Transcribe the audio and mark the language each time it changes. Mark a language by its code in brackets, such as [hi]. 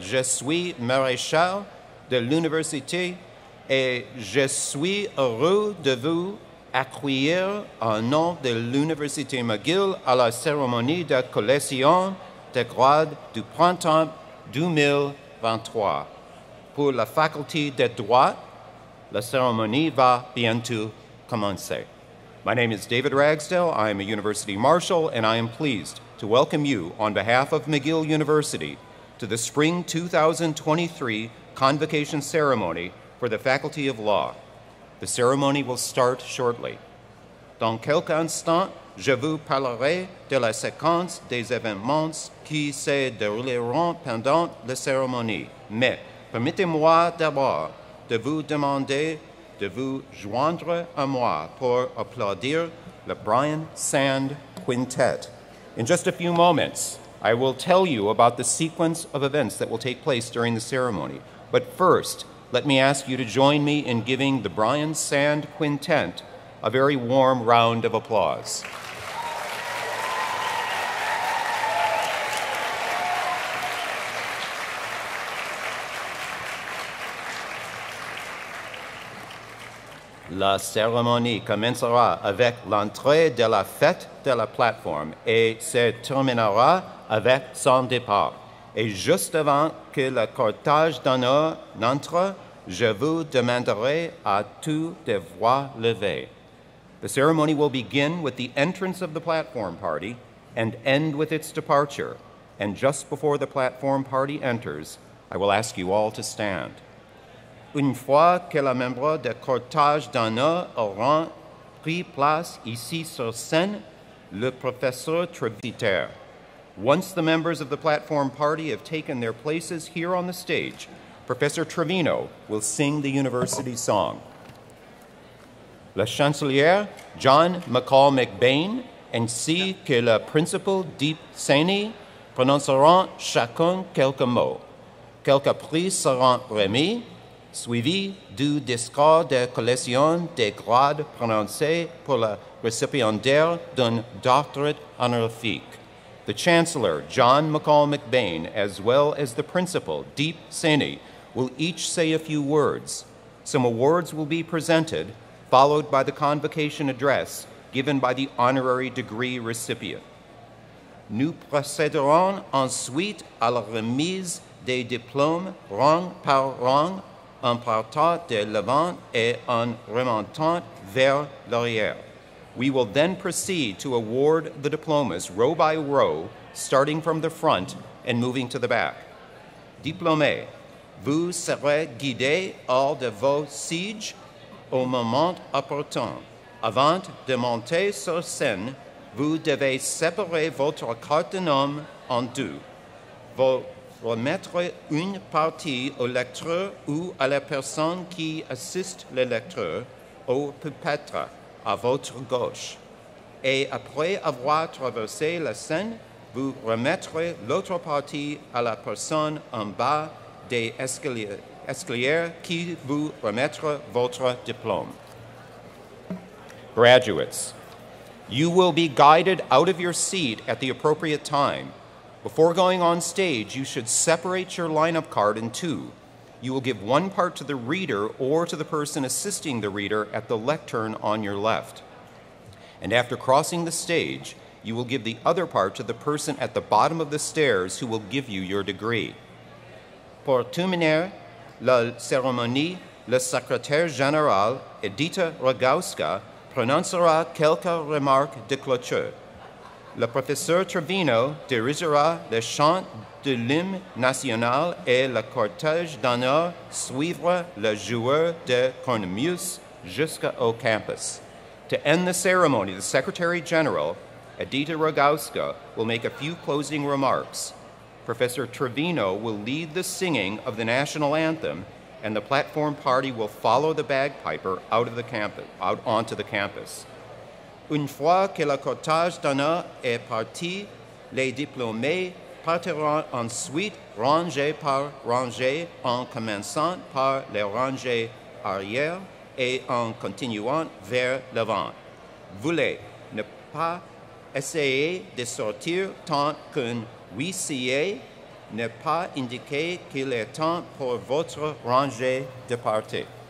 [fr] Je suis maréchal de l'université et je suis heureux de vous accueillir en nom de l'Université McGill à la cérémonie de collation de grade du printemps 2023. Pour la faculté de droit, la cérémonie va bientôt commencer. [en] My name is David Ragsdell. I am a university marshal, and I am pleased to welcome you on behalf of McGill University to the spring 2023 convocation ceremony for the Faculty of Law. The ceremony will start shortly. [fr] Dans quelques instants, je vous parlerai de la séquence des événements qui se dérouleront pendant la cérémonie. Mais permettez-moi d'abord de vous demander de vous joindre à moi pour applaudir le Brian Sand Quintet. [en] In just a few moments, I will tell you about the sequence of events that will take place during the ceremony. But first, let me ask you to join me in giving the Brian Sand Quintet a very warm round of applause. [fr] La cérémonie commencera avec l'entrée de la fête de la plateforme et se terminera avec son départ. Et juste avant que le cortège d'honneur n'entre, je vous demanderai à tous de vous lever. [en] The ceremony will begin with the entrance of the platform party and end with its departure. And just before the platform party enters, I will ask you all to stand. [fr] Une fois que les membres du cortège d'honneur auront pris place ici sur scène, le professeur Trevitaire. [en] Once the members of the platform party have taken their places here on the stage, Professor Trevino will sing the university song. [fr] Le chancelier John McCall McBain ainsi que le principal Deep Saney prononceront chacun quelques mots. Quelques prix seront remis, suivi du discours de collation des grades prononcés pour le récipiendaire d'un doctorat honorifique. [en] The Chancellor, John McCall McBain, as well as the Principal, Deep Saney, will each say a few words. Some awards will be presented, followed by the convocation address given by the honorary degree recipient. [fr] Nous procéderons ensuite à la remise des diplômes rang par rang en partant de l'avant et en remontant vers l'arrière. [en] We will then proceed to award the diplomas row by row, starting from the front and moving to the back. [fr] Diplômés, vous serez guidés hors de vos sièges au moment opportun. Avant de monter sur scène, vous devez séparer votre carte nom en deux. Vos remettre une partie au lecteur ou à la personne qui assiste le lecteur au pupitre à votre gauche. Et après avoir traversé la scène, vous remettrez l'autre partie à la personne en bas des escaliers qui vous remettra votre diplôme. [en] Graduates, you will be guided out of your seat at the appropriate time. Before going on stage, you should separate your lineup card in two. You will give one part to the reader or to the person assisting the reader at the lectern on your left. And after crossing the stage, you will give the other part to the person at the bottom of the stairs who will give you your degree. [fr] Pour terminer la cérémonie, le secrétaire général, Edita Rogowska, prononcera quelques remarques de clôture. Le professeur Trevino dirigera le chant de l'hymne national et le cortège d'honneur suivra le joueur de cornemuse jusqu'au campus. [en] To end the ceremony, the Secretary General, Edita Rogowska, will make a few closing remarks. Professor Trevino will lead the singing of the national anthem, and the platform party will follow the bagpiper out onto the campus. [fr] Une fois que le cortège d'honneur est parti, les diplômés partiront ensuite rangée par rangée en commençant par les rangées arrière et en continuant vers l'avant. voulait ne pas essayer de sortir tant qu'un huissier n'a pas indiqué qu'il est temps pour votre rangée de partir.